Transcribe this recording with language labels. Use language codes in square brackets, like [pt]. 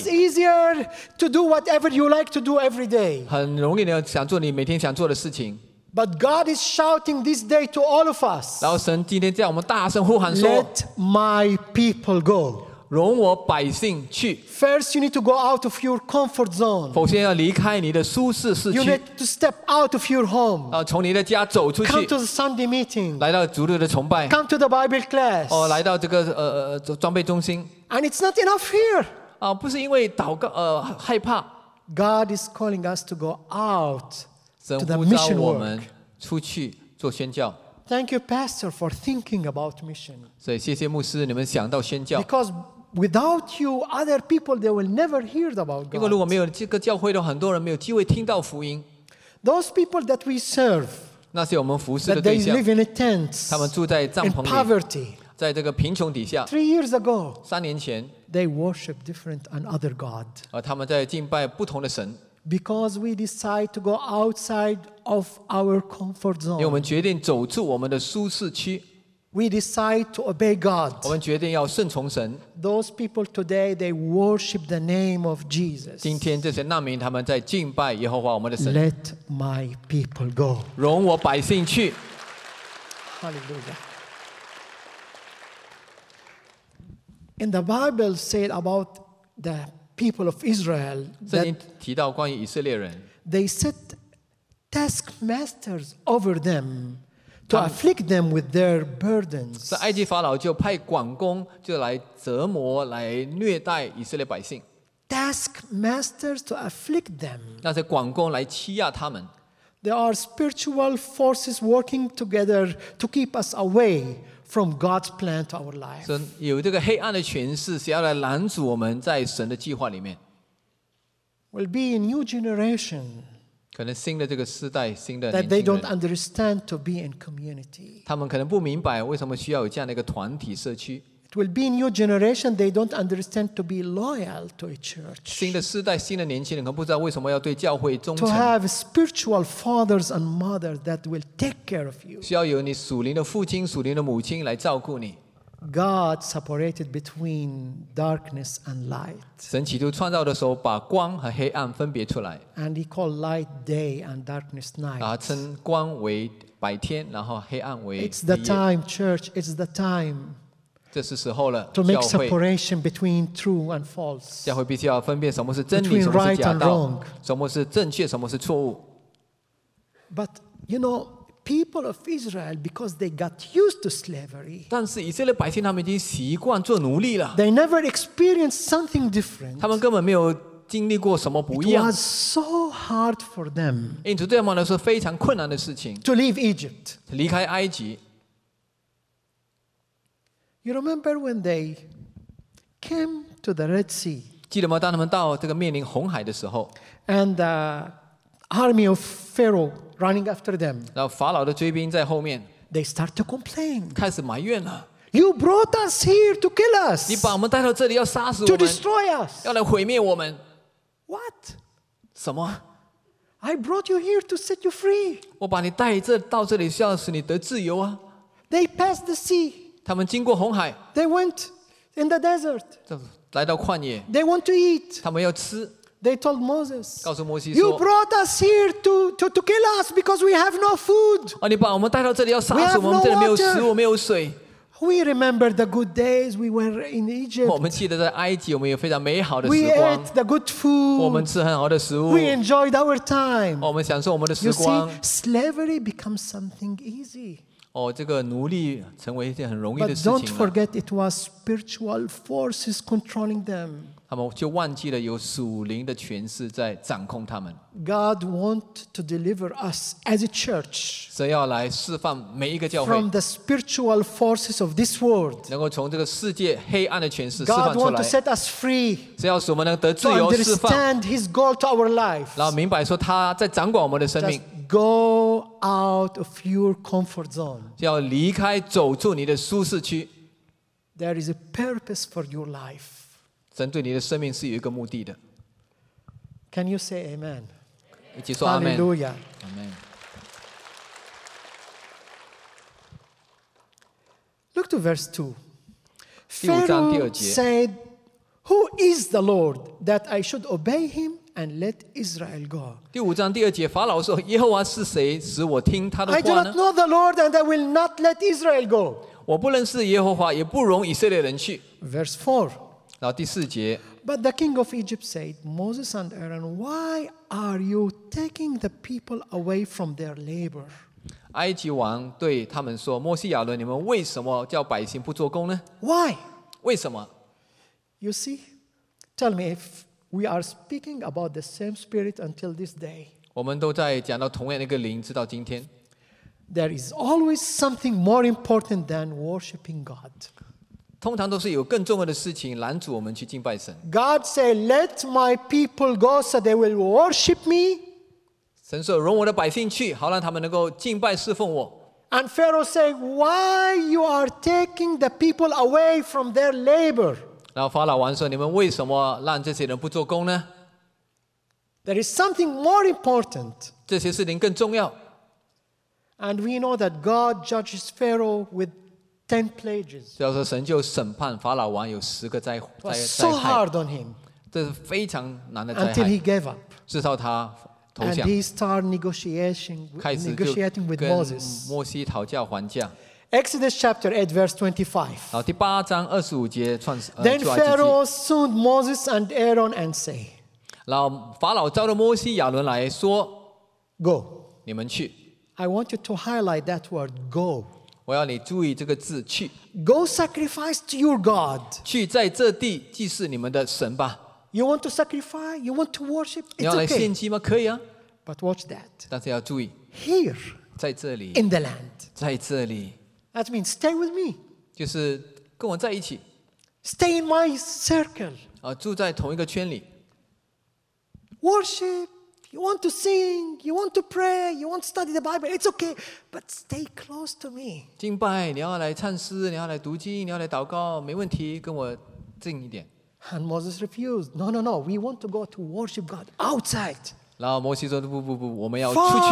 [en] It's easier to do whatever you like to do every day. [zh] 很容易能想做你每天想做的事情。 [en] But God is shouting this day to all of us. [zh] 然后神今天叫我们大声呼喊说。 [en] Let my people go. [zh] 容我百姓去。 [en] First, you need to go out of your comfort zone. [zh] 首先要离开你的舒适市区。 [en] You need to step out of your home. [zh] 从你的家走出去。 [en] Come to the Sunday meeting. [zh] 来到主日的崇拜。 [en] Come to the Bible class. [zh] 来到这个装备中心。 [en] And it's not enough here. [zh] 不是因为祷告害怕。 [en] God is calling us to go out to the mission work. [zh] 我们出去做宣教。 [en] Thank you, Pastor, for thinking about mission. [zh] 所以谢谢牧师，你们想到宣教。 [en] Because without you, other people they will never hear about God. [zh] 因为如果没有这个教会的，很多人没有机会听到福音。 [en] Those people that we serve, [zh] 那些我们服侍的对象 [en] ，they live in a tent, [zh] 他们住在帐篷里 [en] ，in poverty, [zh] 在这个贫穷底下。 [en] 3 years ago, [zh] 3年前 [en] they worship different and other God. [zh] 他们在敬拜不同的神。 [en] Because we decide to go outside of our comfort zone. [zh] 因为我们决定走出我们的舒适区。 [en] We decide to obey God. [zh] 我们决定要顺从神。 [en] Those people today, they worship the name of Jesus. [zh] 今天这些难民他们在敬拜耶和华我们的神。 [en] Let my people go. [zh] 容我百姓去。 [en] Hallelujah. In the Bible said about the people of Israel, [zh] 圣经提到关于以色列人。 [en] They set taskmasters over them. To afflict them with their burdens. [zh] 在埃及法老就派管工就来折磨来虐待以色列百姓。 [en] Taskmasters to afflict them. [zh] 那些管工来欺压他们。 [en] There are spiritual forces working together to keep us away from God's plan to our life. [zh] 所以有这个黑暗的权势是要来拦阻我们在神的计划里面。 [en] We'll be a new generation. [zh] 可能新的这个世代，新的年轻人， [en] to be in community. [zh] 他们可能不明白为什么需要有这样的一个团体社区。 [en] It will be a new generation. They don't understand to be loyal to a church. [zh] 新的世代，新的年轻人可能不知道为什么要对教会忠诚。 [en] To have spiritual fathers and mothers that will take care of you. [zh] 需要有你属灵的父亲、属灵的母亲来照顾你。 [en] God separated between darkness and light. [zh] 神起初创造的时候，把光和黑暗分别出来。 [en] And he called light day and darkness night. [zh] 称光为白天，然后黑暗为黑夜。 [en] It's the time, church. It's the time. [zh] 这是时候了。 [en] To make separation between true and false. [zh] 教会必须要分辨什么是真理，什么是假道，什么是正确，什么是错误。 [en] But you know. People of Israel, because they got used to slavery. [zh] 但是以色列百姓他们已经习惯做奴隶了。 [en] They never experienced something different. [zh] 他们根本没有经历过什么不一样。 [en] It was so hard for them. [zh] 因此对他们来说非常困难的事情。 [en] To leave Egypt. [zh] 离开埃及。 [en] You remember when they came to the Red Sea. [zh] 记得吗？当他们到这个面临红海的时候 [en] ，and the army of Pharaoh running after them. [zh] 然后法老的追兵在后面。 [en] They start to complain. [zh] 开始埋怨了。 [en] You brought us here to kill us. [zh] 你把我们带到这里要杀死我们。 [en] To destroy us. [zh] 要来毁灭我们。 [en] What? [zh] 什么？ [en] I brought you here to set you free. [zh] 我把你带这到这里是要使你得自由啊。 [en] They passed the sea. [zh] 他们经过红海。 [en] They went in the desert. [zh] 来到旷野。 [en] They want to eat. [zh] 他们要吃。 [en] They told Moses. [zh] 告诉摩西说。 [en] You brought us here to kill us because we have no food. [zh] 啊，你把我们带到这里要杀死我们，我们这里没有食物，没有水。 [en] We remember the good days we were in Egypt. [zh] 我们记得在埃及，我们有非常美好的时光。 [en] We ate the good food. [zh] 我们吃很好的食物。 [en] We enjoyed our time. [zh] 我们享受我们的时光。 [en] You see, slavery becomes something easy. [zh] 哦，这个奴隶成为一件很容易的事情。 [en] But don't forget, it was spiritual forces controlling them. [zh] 他们就忘记了有属灵的权势在掌控他们。 [en] God wants to deliver us as a church. [zh] 神要来释放每一个教会。 [en] From the spiritual forces of this world. [zh] 能够从这个世界黑暗的权势释放出来。 [en] God wants to set us free. [zh] 神要使我们能得自由释放。 [en] To understand His goal to our life. [zh] 然后明白说他在掌管我们的生命。 [en] Go out of your comfort zone. [zh] 就要离开，走出你的舒适区。 [en] There is a purpose for your life. [zh] 神对你的生命是有一个目的的。 [en] Can you say Amen? [zh] 一起说阿门。 [en] Hallelujah. Amen. Look to verse 2. [zh] 第五章第二节。 [en] Pharaoh said, "Who is the Lord that I should obey him and let Israel go?" [zh] 第五章第二节，法老说：“耶和华是谁，使我听他的话呢？” [en] I do not know the Lord, and I will not let Israel go. [zh] 我不认识耶和华，也不容以色列人去。 [en] Verse 4. [zh] 然后第四节 [en] But the king of Egypt said, Moses and Aaron, why are you taking the people away from their labor? [zh] 埃及王对他们说，摩西亚伦，你们为什么叫百姓不做工呢？ [en] Why? [zh] 为什么？ [en] You see, tell me if we are speaking about the same spirit until this day. [zh] 我们都在讲到同样的一个灵，直到今天。 [en] There is always something more important than worshiping God. [zh] 通常都是有更重要的事情拦阻我们去敬拜神。 [en] God said, "Let my people go, so they will worship me." [zh] 神说，容我的百姓去，好让他们能够敬拜侍奉我。 [en] And Pharaoh said, "Why you are taking the people away from their labor?" [zh] 然后法老王说，你们为什么让这些人不做工呢？ [en] There is something more important. [zh] 这些事情更重要。 [en] And we know that God judges Pharaoh with Ten plagues. [zh] 就是神就审判法老王有十个灾害。 [en] It was so hard on him. [zh] 这是非常难的灾 [en] 害。Until he gave up. [zh] 至少他投降。 [en] And he started negotiating with Moses. [zh] 摩西讨价还价。 [en] Exodus chapter 8 verse 25. [zh] 然后第八章二十五节创世。 [en] Then Pharaoh summoned Moses and Aaron and say. [zh] 然后法老召了摩西亚伦来说。 [en] Go. [zh] 你们去。 [en] I want you to highlight that word go. [zh] 我要你注意这个字去。 [en] Go sacrifice to your God. [zh] 去在这地祭祀你们的神吧。 [en] You want to sacrifice? You want to worship? It's okay. [zh] 你要来献祭吗？可以啊。 [en] But watch that. [zh] 但是要注意。 [en] Here. [zh] 在这里。 [en] In the land. [zh] 在这里。 [en] That means stay with me. [zh] 就是跟我在一起。 [en] Stay in my circle. [zh] 啊，住在同一个圈里。 [en] Worship. You want to sing, you want to pray, you want to study the Bible, it's okay, but stay close to me. [zh] 敬拜，你要来唱诗，你要来读经，你要来祷告，没问题，跟我近一点。 [en] And Moses refused. No, no, no, we want to go to worship God outside. [zh] 然后摩西说，不不不，我们要出去。